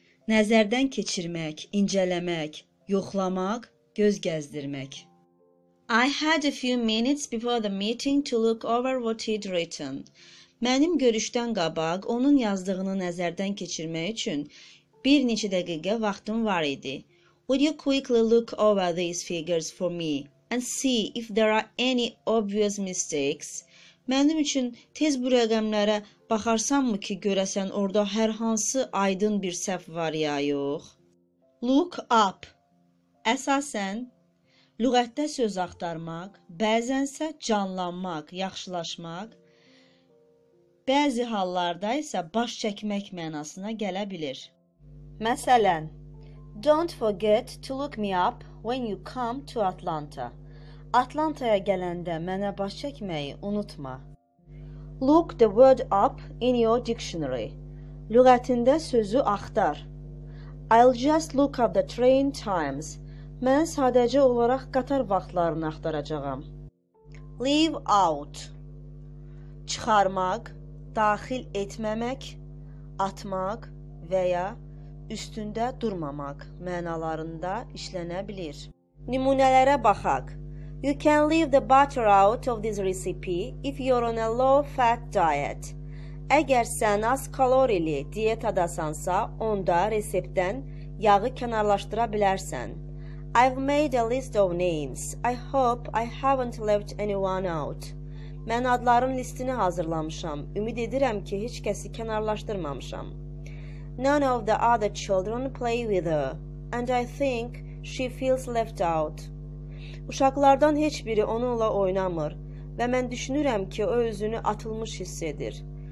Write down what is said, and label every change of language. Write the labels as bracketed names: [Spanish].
[Azerbaijani] Nəzərdən keçirmək, incələmək, yoxlamaq, göz gəzdirmək. [English] I had a few minutes before the meeting to look over what he'd written. [Azerbaijani] Mənim görüşdən qabaq onun yazdığını nəzərdən keçirmək üçün bir neçə dəqiqə vaxtım var idi. [English] Would you quickly look over these figures for me and see if there are any obvious mistakes? [Azerbaijani] Mənim üçün tez bu rəqəmlərə baxarsanmı ki, görəsən orada hər hansı aydın bir səhv var ya yox? [English] Look up. [Azerbaijani] Əsasən, lüğətdə söz axtarmaq, bəzənsə canlanmaq, yaxşılaşmaq, bəzi hallarda isə baş çəkmək mənasına gələ bilir. [English] Məsələn, Don't forget to look me up when you come to Atlanta. [Azerbaijani] Atlantaya gələndə mənə baş çəkməyi unutma. [English] Look the word up in your dictionary. [Azerbaijani] Lüğətində sözü axtar. [English] I'll just look up the train times. [Azerbaijani] Mən sadəcə olaraq qatar vaxtlarını axtaracağam. [English] Leave out. [Azerbaijani] Çıxarmaq, daxil etməmək, atmaq və ya üstündə durmamaq mənalarında işlənə bilir. Nümunələrə baxaq. [English] You can leave the butter out of this recipe if you're on a low-fat diet. [Azerbaijani] Əgər sən az kalorili dietadasansa, onda reseptdən yağı kənarlaşdıra bilərsən. [English] I've made a list of names. I hope I haven't left anyone out. [Azerbaijani] Mən adların listini hazırlamışam. Ümid edirəm ki, heç kəsi kənarlaşdırmamışam. [English] None of the other children play with her, and I think she feels left out. [Azerbaijani] Uşaqlardan heç biri onunla oynamır və mən düşünürəm ki, o özünü atılmış hiss edir.